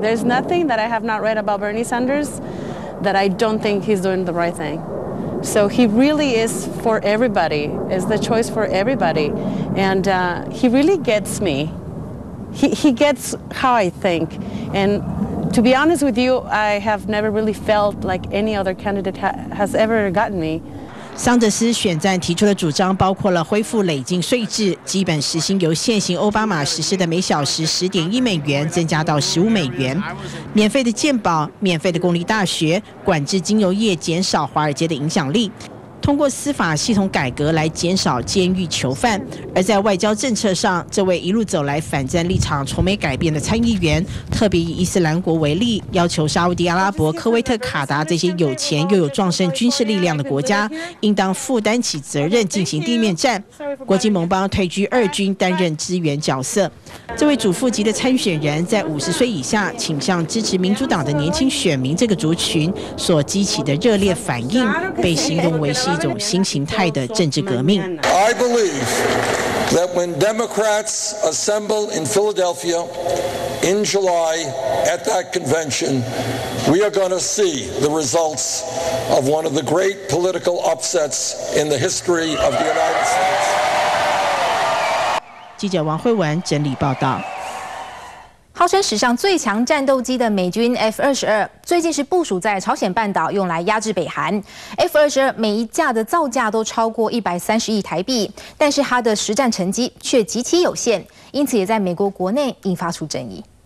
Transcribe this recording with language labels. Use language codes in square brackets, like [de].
[en] There's nothing that I have not read about Bernie Sanders that I don't think he's doing the right thing. So he really is for everybody, is the choice for everybody. And he really gets me. He gets how I think. And to be honest with you, I have never really felt like any other candidate has ever gotten me. [zh] 桑德斯选战提出的主张包括了恢复累进税制，基本时薪由现行奥巴马实施的每小时10.1美元增加到15美元，免费的健保，免费的公立大学，管制金融业，减少华尔街的影响力，通过司法系统改革来减少监狱囚犯。而在外交政策上，这位一路走来反战立场从没改变的参议员，特别以伊斯兰国为例，要求沙特阿拉伯、科威特、卡达这些有钱又有壮盛军事力量的国家，应当负担起责任进行地面战。国际盟邦退居二军，担任支援角色。这位主副级的参选人在50岁以下，倾向支持民主党的年轻选民这个族群所激起的热烈反应，被形容为。是一种新形态的政治革命。 [en] I believe that when Democrats assemble in Philadelphia in July at that convention, we are going to see the results of one of the great political upsets in the history of the United States. [zh] 记者王慧文整理报道。号称史上最强战斗机的美军 F-22 最近是部署在朝鲜半岛，用来压制北韩。 F-22 每一架的造价都超过130亿台币，但是它的实战成绩却极其有限，因此也在美国国内引发出争议。